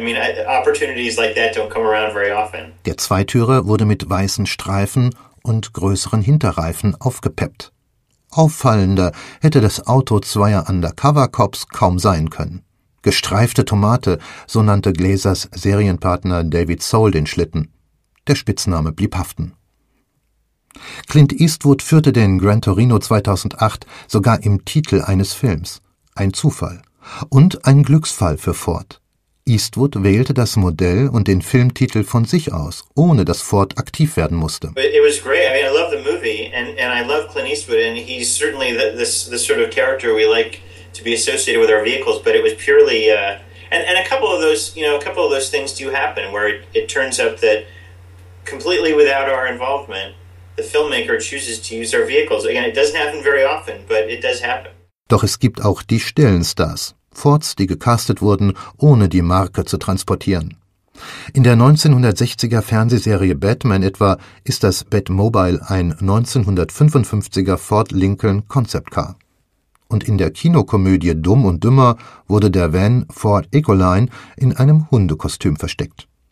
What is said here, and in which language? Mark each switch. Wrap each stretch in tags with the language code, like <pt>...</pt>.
<en>I mean, opportunities like that don't come around very often.</en> <de>Der Zweitürer wurde mit weißen Streifen und größeren Hinterreifen aufgepeppt. Auffallender hätte das Auto zweier Undercover-Cops kaum sein können. Gestreifte Tomate, so nannte Glasers Serienpartner David Soul den Schlitten. Der Spitzname blieb haften. Clint Eastwood führte den Gran Torino 2008 sogar im Titel eines Films. Ein Zufall. Und ein Glücksfall für Ford. Eastwood wählte das Modell und den Filmtitel von sich aus, ohne dass Ford aktiv werden musste.</de> <en>It was great. I mean, I love the movie and I love Clint Eastwood and he's certainly the sort of character we like to be associated with our vehicles, but it was purely and a couple of those, you know, a couple of those things do happen where it turns out that completely without our involvement, the filmmaker chooses to use our vehicles. Again, it doesn't happen very often, but it does happen.</en> <de>Doch es gibt auch die stillen Stars. Fords, die gecastet wurden, ohne die Marke zu transportieren. In der 1960er Fernsehserie Batman etwa ist das Batmobile ein 1955er Ford Lincoln Concept Car. Und in der Kinokomödie Dumm und Dümmer wurde der Van Ford Ecoline in einem Hundekostüm versteckt.</de>